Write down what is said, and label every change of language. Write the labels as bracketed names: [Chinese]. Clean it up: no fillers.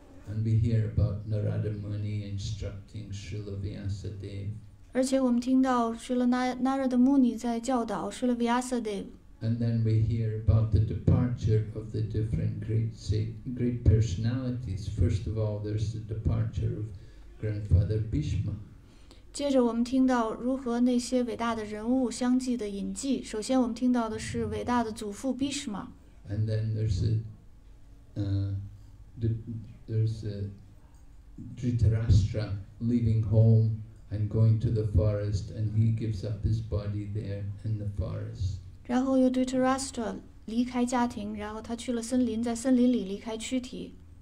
[English] And we hear about Narada Muni instructing Srila Vyasadeva. [Chinese] 而且我们听到 Srila Narada Muni 在教导 Srila Vyasadeva. [English] And then we hear about the departure of the different great personalities. First of all, there's the departure of Grandfather Bhishma. [Chinese] 接着我们听到如何那些伟大的人物相继的隐迹。首先我们听到的是伟大的祖父 Bhishma。 [English] And then there's Dhritarashtra leaving home and going to the forest, and he gives up his body there in the forest. [Chinese] 然后又 Dhritarashtra 离开家庭，然后他去了森林，在森林里离开躯体。